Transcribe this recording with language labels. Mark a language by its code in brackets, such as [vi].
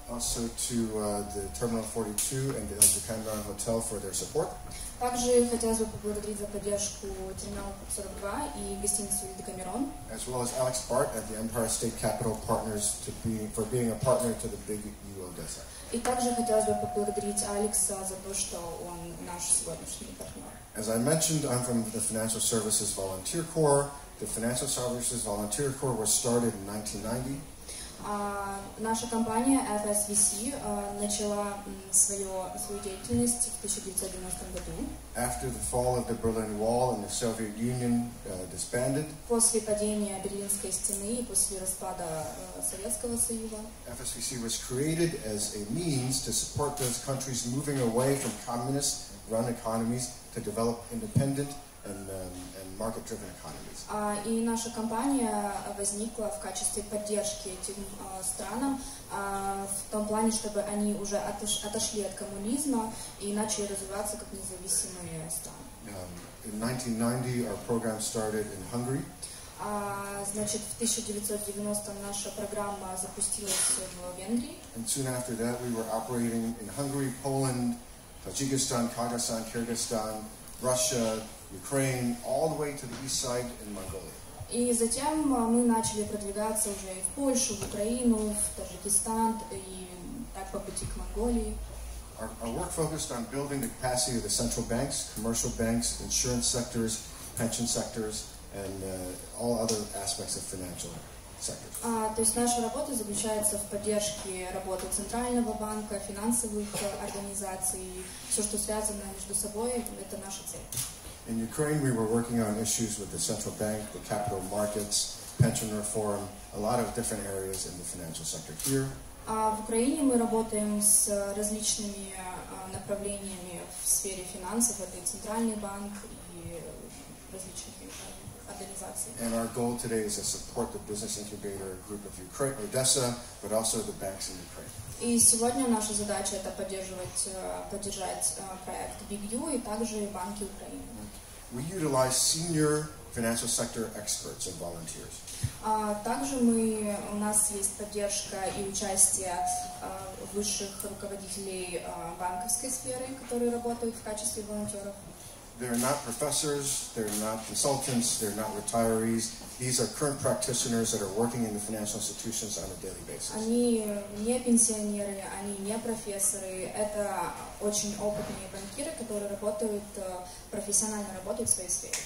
[en] Also to the Terminal 42 and the Canberra Hotel for their support. [ru] Также хотелось бы поблагодарить за поддержку Терминал 42 и гостиницу Декамерон. [en] As well as Alex Bart at the Empire State Capital Partners for being a partner to the BIG.U Odessa. [ru] И также хотелось бы поблагодарить Алекса за то, что он наш сегодняшний партнер. [en] As I mentioned, I'm from the Financial Services Volunteer Corps. The Financial Services Volunteer Corps was started in 1990. [ru] Наша компания FSVC начала свою деятельность в 1990 году. [en] After the fall of the Berlin Wall and the Soviet Union disbanded. [ru] После падения Берлинской стены и после распада Советского Союза. [en] FSVC was created as a means to support those countries moving away from communist run economies to develop independent and market-driven economies. [ru] И наша компания возникла в качестве поддержки этим странам в том плане, чтобы они уже отошли от коммунизма и начали развиваться как независимые страны. [en] In 1990, our program started in Hungary. [ru] Значит, в 1990 наша программа запустилась в Венгрии. [en] And soon after that, we were operating in Hungary, Poland, Tajikistan, Kazakhstan, Kyrgyzstan, Russia, Ukraine, all the way to the east side in Mongolia. [ru] И затем мы начали продвигаться уже в Польшу, в Украину, в Таджикистан и так по пути к Монголии. [en] Our work focused on building the capacity of the central banks, commercial banks, insurance sectors, pension sectors, and all other aspects of financial sectors. [ru] То есть наша работа заключается в поддержке работы центрального банка, финансовых организаций, все, что связано между собой, это наша цель. [en] In Ukraine, we were working on issues with the central bank, the capital markets, pension reform, a lot of different areas in the financial sector here. [ru] В Украине мы работаем с различными направлениями в сфере финансов, это и центральный банк, и различные организации. [en] And our goal today is to support the business incubator group of Ukraine, Odessa, but also the banks in Ukraine. [ru] И сегодня наша задача это поддержать проект BIG.U и также банки Украины. [en] We utilize senior financial sector experts and volunteers. [ru] Также у нас есть поддержка и участие высших руководителей банковской сферы, которые работают в качестве волонтеров. [en] They're not professors, they're not consultants, they're not retirees. These are current practitioners that are working in the financial institutions on a daily basis. [ru] Они не пенсионеры, они не профессоры. Это очень опытные банкиры, которые работают, профессионально работают в своей сфере.